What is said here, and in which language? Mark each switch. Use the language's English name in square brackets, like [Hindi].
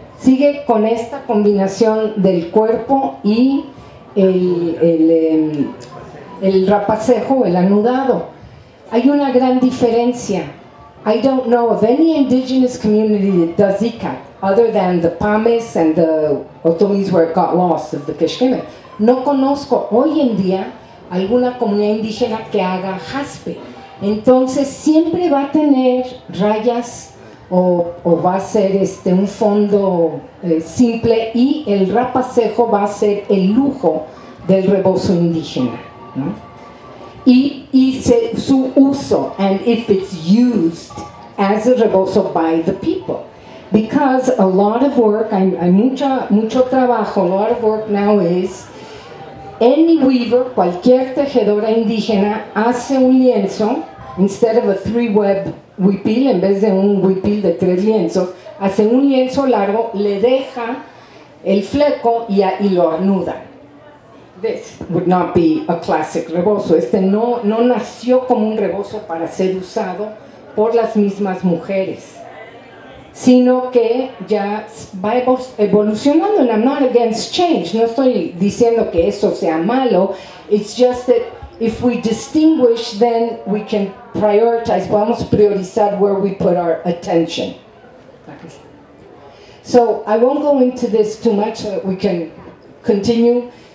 [Spanish] Sigue con esta combinación del cuerpo y el rapacejo, el anudado. Hay una gran diferencia. [English] I don't know of any indigenous community that does ikat, other than the Pames and the Otomis where it got lost, of the Keshkeme. [Spanish] No conozco hoy en día alguna comunidad indígena que haga jaspe. Entonces siempre va a tener rayas o va a ser un fondo simple, y el rapacejo va a ser el lujo del rebozo indígena, ¿no? Y su uso, [English] and if it's used as a rebozo by the people. Because a lot of work, [Spanish] hay mucho trabajo, [English] a lot of work now is, any weaver, [Spanish] cualquier tejedora indígena, hace un lienzo, [English] instead of a three-web huipil, [Spanish] en vez de un huipil de tres lienzos, hace un lienzo largo, le deja el fleco y lo anuda. [English] This would not be a classic rebozo. [Spanish] No nació como un rebozo para ser usado por las mismas mujeres, sino que ya va evolucionando. [English] And I'm not against change. [Spanish] No estoy diciendo que eso sea malo. [English] It's just that if we distinguish, then we can prioritize. [Spanish] Vamos a priorizar [English] where we put our attention. So I won't go into this too much so that we can continue.